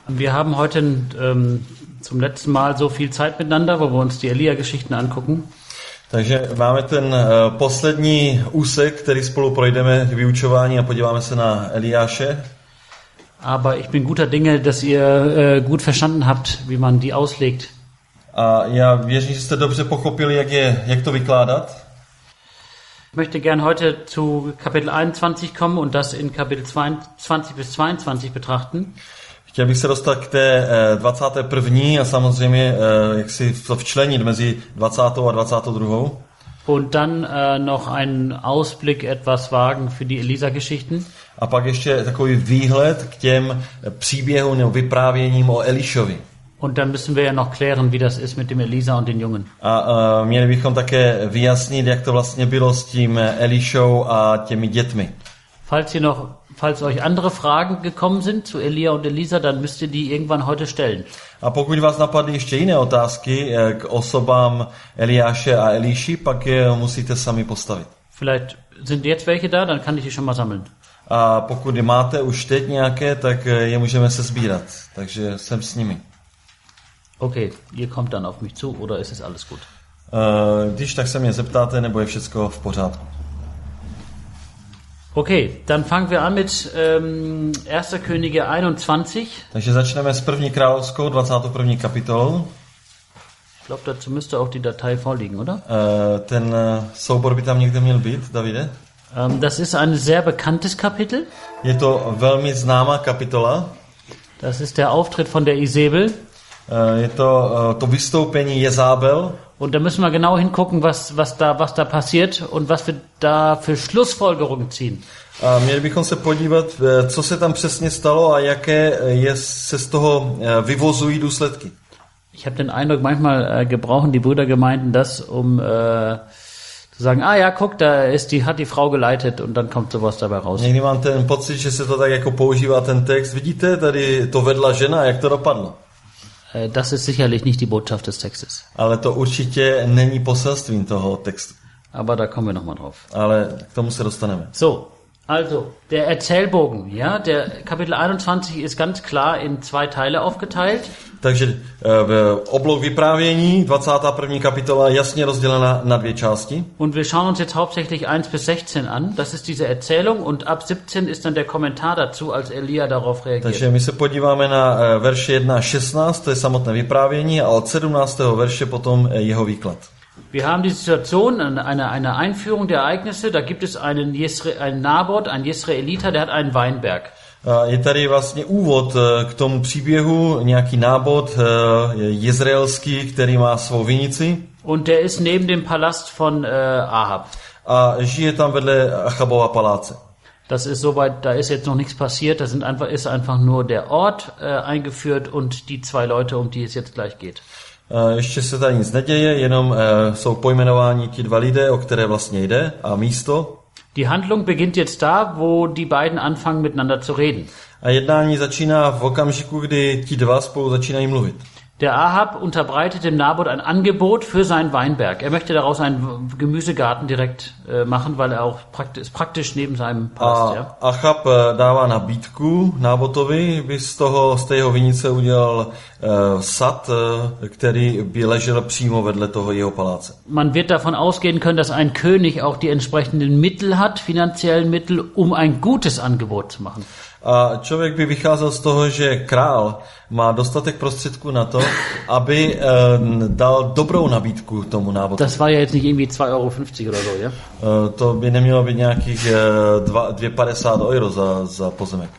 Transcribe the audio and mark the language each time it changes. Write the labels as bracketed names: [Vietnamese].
[German] Wir haben heute zum letzten Mal so viel Zeit miteinander, wo wir uns die Elia-Geschichten angucken. [Czech] Takže máme ten poslední úsek, který spolu projdeme k vyučování a podíváme se na Eliáše. [German] Aber ich bin guter Dinge, dass ihr gut verstanden habt, wie man die auslegt. [Czech] A já věřím, že jste dobře pochopili, jak to vykládat. [German] Ich möchte gern heute zu Kapitel 21 kommen und das in Kapitel 20 bis 22 betrachten. [Czech] Chtěl bych se dostat k té 21. a samozřejmě jak si to včlenit mezi 20. a 22. [German] Und dann noch einen Ausblick etwas wagen für die Elisa-Geschichten. [Czech] A pak ještě takový výhled k těm příběhům nebo vyprávěním o Elišovi. [German] Und dann müssen wir ja noch klären, wie das ist mit dem Elisa und den Jungen. [Czech] A měli bychom také vyjasnit, jak to vlastně bylo s tím Elišou a těmi dětmi. [German] Falls euch andere Fragen gekommen sind zu Elia und Elisa, dann müsst ihr die irgendwann heute stellen. [Czech] A pokud vás napadly ještě jiné otázky k osobám Eliáše a Eliši, pak je musíte sami postavit. [German] Vielleicht sind jetzt welche da, dann kann ich die schon mal sammeln. [Czech] A pokud máte už teď nějaké, tak je můžeme se sbírat. Takže jsem s nimi. [German] Okay, ihr kommt dann auf mich zu oder ist es alles gut? [Czech] Když tak se mě zeptáte, nebo je všechno v pořádku. [German] Okay, dann fangen wir an mit 1. Könige 21. [Czech] Takže začneme s první královskou 21. kapitolou. [German] Ich glaube, dazu müsste auch die Datei vorliegen, oder? [Czech] Ten soubor by tam někde měl být, Davide. [German] Das ist ein sehr bekanntes Kapitel. [Czech] Je to velmi známá kapitola. [German] Das ist der Auftritt von der Isabel. [Czech] Je to to vystoupení Jezábel. [German] Und da müssen wir genau hingucken, was da passiert und was wir da für Schlussfolgerungen ziehen. [Czech] Měli bychom se podívat, co se tam přesně stalo a jaké se z toho vyvozují důsledky. [German] Ich habe den Eindruck, manchmal gebrauchen die Brüdergemeinden das, um zu sagen, ah ja, guck, da ist die hat die Frau geleitet und dann kommt sowas dabei raus. [Czech] Někdy mám ten pocit, že se to tak jako používá ten text. Vidíte, tady to vedla žena, jak to dopadlo? [German] Das ist sicherlich nicht die Botschaft des Textes. [Czech] Ale to určitě není poselstvím toho textu. [German] Aber da kommen wir noch mal drauf. [Czech] Ale k tomu se dostaneme. [German] So, also, der Erzählbogen, ja, der Kapitel 21 ist ganz klar in zwei Teile aufgeteilt. [Czech] Takže oblouk vyprávění, 21. kapitola, jasně rozdělena na dvě části. [German] Und wir schauen uns jetzt hauptsächlich 1 bis 16 an. Das ist diese Erzählung und ab 17 ist dann der Kommentar dazu, als Elia darauf reagiert. [Czech] Takže my se podíváme na verše 1 až 16, to je samotné vyprávění, a od 17. verše potom jeho výklad. [German] Wir haben die Situation, eine Einführung der Ereignisse, da gibt es einen Nabot, einen Jesreeliter, der hat einen Weinberg. [Czech] Je tady vlastně úvod k tomu příběhu, nějaký Nabot jezraelský, který má svou vinici. [German] Und der ist neben dem Palast von Ahab. [Czech] A žije tam vedle Achabova paláce. [German] Das ist soweit, da ist jetzt noch nichts passiert, da sind einfach ist einfach nur der Ort eingeführt und die zwei Leute, um die es jetzt gleich geht. [Czech] Ještě se tady nic neděje, jenom jsou pojmenováni ti dva lidé, o které vlastně jde, a místo. [German] Die Handlung beginnt jetzt da, wo die beiden anfangen miteinander zu reden. [Czech] A jednání začíná v okamžiku, kdy ti dva spolu začínají mluvit. [German] Der Ahab unterbreitet dem Nabot ein Angebot für seinen Weinberg. Er möchte daraus einen Gemüsegarten direkt machen, weil er auch praktisch neben seinem Palast, ja. [Czech] Ahab dává nabídku Nabotovi, by z té jeho vinice udělal sad, který by ležel přímo vedle toho jeho paláce. [German] Man wird davon ausgehen können, dass ein König auch die entsprechenden Mittel hat, finanziellen Mittel, um ein gutes Angebot zu machen. [Czech] A člověk by vycházel z toho, že král má dostatek prostředků na to, aby dal dobrou nabídku tomu návodu. [German] Das war ja jetzt nicht irgendwie 2,50 € oder so, ja? [Czech] To by nemělo být nějakých 2,50 € za pozemek.